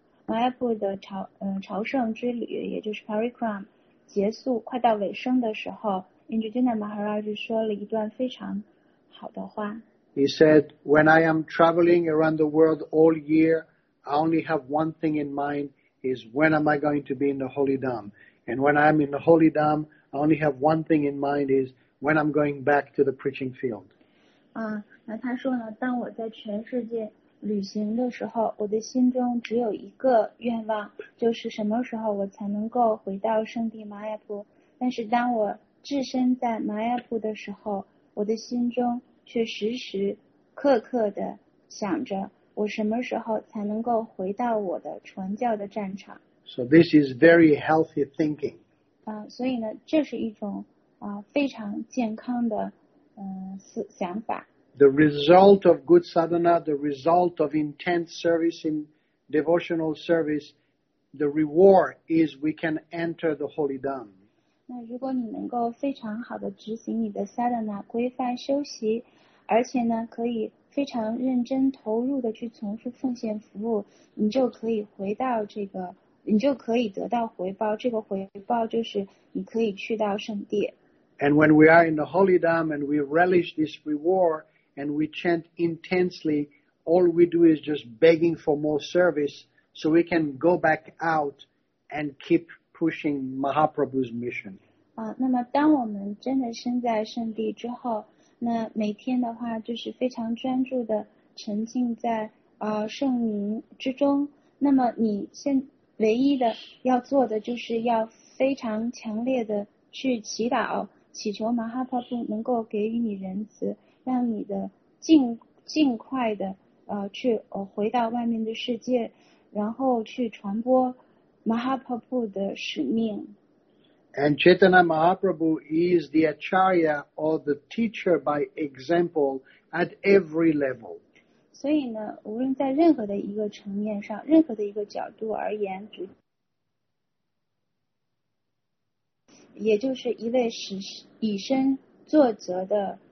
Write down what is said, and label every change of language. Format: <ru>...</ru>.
<zh>马耶布的朝圣之旅，也就是 Parikram 结束快到尾声的时候 ，Indrajumna Maharaj 说了一段非常好的话。</zh> <en>He said, "When I am traveling around the world all year, I only have one thing in mind: is when am I going to be in the Holy Dham? And when I'm in the Holy Dham, I only have one thing in mind: is when I'm going back to the preaching field."</en> <zh>那他说呢，当我在全世界。旅行的时候，我的心中只有一个愿望，就是什么时候我才能够回到圣地玛雅普。但是当我置身在玛雅普的时候，我的心中却时时刻刻地想着，我什么时候才能够回到我的传教的战场。</zh> <en>So this is very healthy thinking.</en> <zh>所以呢，这是一种非常健康的想法。</zh> <en>The result of good sadhana, the result of intense service in devotional service, the reward is we can enter the holy dham.</en> <zh>那如果你能够非常好的执行你的 sadhana 规范修习，而且呢可以非常认真投入的去从事奉献服务，你就可以回到这个，你就可以得到回报。这个回报就是你可以去到圣地。</zh> <en>And when we are in the holy dham and we relish this reward. And we chant intensely. All we do is just begging for more service, so we can go back out and keep pushing Mahaprabhu's mission.</en> <zh>那么当我们真的身在圣地之后，那每天的话就是非常专注的沉浸在圣名之中。那么你现唯一的要做的就是要非常强烈的去祈祷，祈求 Mahaprabhu 能够给予你仁慈。让你的尽快的去回到外面的世界，然后去传播 Mahaprabhu 的使命。</zh> <en>And Chaitanya Mahaprabhu is the acharya or the teacher by example at every level.</en> <zh>所以呢，无论在任何的一个层面上，任何的一个角度而言，也就是一位以身作则的。</zh>